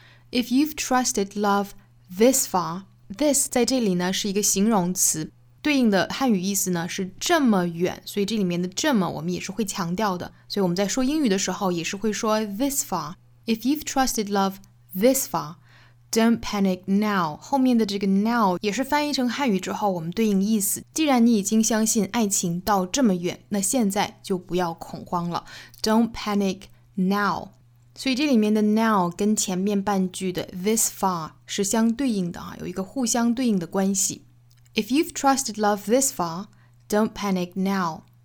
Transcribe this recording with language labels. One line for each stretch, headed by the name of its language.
English: If you've trusted love this far, this
Chinese: 在这里呢是一个形容词，对应的汉语意思呢是这么远，所以这里面的这么我们也是会强调的，所以我们在说英语的时候也是会说
English: this far. If you've trusted love this far, don't panic now.
Chinese: 后面的这个 now 也是翻译成汉语之后我们对应意思，既然你已经相信爱情到这么远，那现在就不要恐慌了。
English: Don't panic now.
Chinese: 所以这里面的 now 跟前面半句的
English: this far
Chinese: 是相对应的，有一个互相对应的关系。
English: If you've trusted love this far, don't panic now.